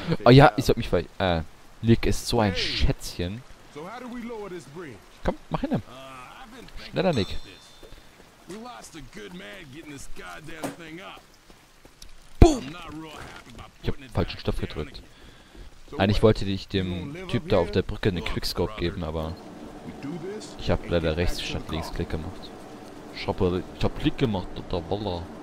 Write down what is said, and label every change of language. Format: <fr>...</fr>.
<de>Oh ja, ich sollte mich ver... Nick ist so ein Schätzchen.</de> <en>So how do we lower this bridge?</en> <de>Komm, mach hin. Schneller, Nick.</de> <en>We lost a good man getting this goddamn thing up. Boom!</en> <de>Ich hab falschen Stoff gedrückt. Eigentlich wollte ich dem Typ da auf der Brücke einen Quickscope geben, aber ich hab leider rechts statt links Klick gemacht. Ich hab Klick gemacht, oder voila.</de>